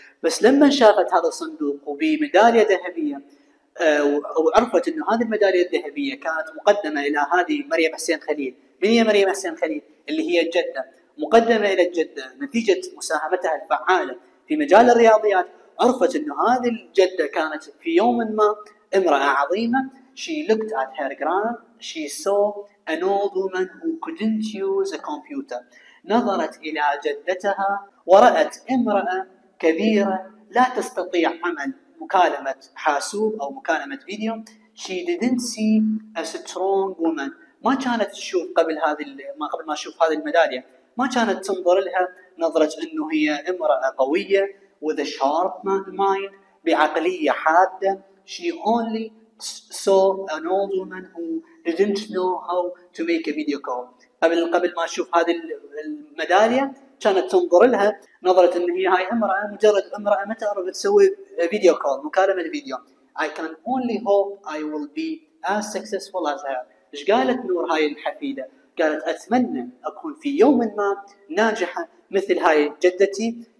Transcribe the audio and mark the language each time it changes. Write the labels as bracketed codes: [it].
[ar] بس لما شافت هذا الصندوق وبميدالية ذهبية وعرفت انه هذه الميدالية الذهبية كانت مقدمة الى هذه مريم حسين خليل. من هي مريم حسين خليل؟ اللي هي الجدة، مقدمة الى الجدة نتيجة مساهمتها الفعالة في مجال الرياضيات. عرفت انه هذه الجدة كانت في يوم ما امرأة عظيمة. [en] She looked at her grand. She saw an old woman who couldn't use a computer. [ar] نظرت إلى جدتها ورأت امرأة كبيرة لا تستطيع عمل مكالمة حاسوب أو مكالمة فيديو. [en] She didn't see a strong woman. [ar] ما كانت تشوف قبل هذه قبل ما تشوف هذه الميدالية، ما كانت تنظر لها نظرة إنه هي امرأة قوية [en] with a sharp mind [ar] بعقلية حادة. [en] She only saw an old woman who didn't know how to make a video call. [ar] قبل ما أشوف هذه الميدالية كانت تنظر لها نظرة إن هي هاي امرأة مجرد امرأة ما تعرف تسوي فيديو كول مكالمة فيديو. [en] I can only hope I will be as successful as her. [ar] إيش قالت نور هاي الحفيدة؟ قالت أتمنى أكون في يوم ما ناجحة مثل هاي جدتي.